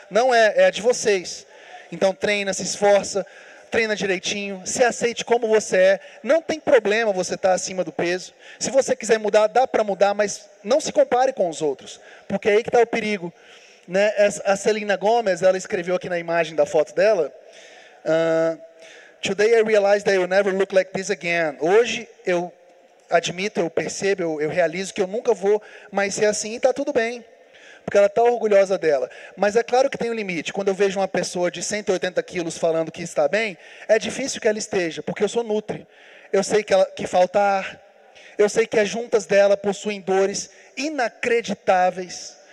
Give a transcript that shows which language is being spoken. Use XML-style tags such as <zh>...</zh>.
<pt>Não é, é a de vocês. Então treina, se esforça, treina direitinho, se aceite como você é. Não tem problema você estar acima do peso. Se você quiser mudar, dá para mudar, mas não se compare com os outros. Porque é aí que está o perigo. Né? A Selena Gomez, ela escreveu aqui na imagem da foto dela.</pt> <en>Today I realized that I will never look like this again.</en> <pt>Hoje eu admito, eu percebo, eu realizo que eu nunca vou mais ser assim. E está tudo bem. Porque ela está orgulhosa dela. Mas é claro que tem um limite. Quando eu vejo uma pessoa de 180 quilos falando que está bem, é difícil que ela esteja, porque eu sou nutri. Eu sei que falta ar. Eu sei que as juntas dela possuem dores inacreditáveis.</pt>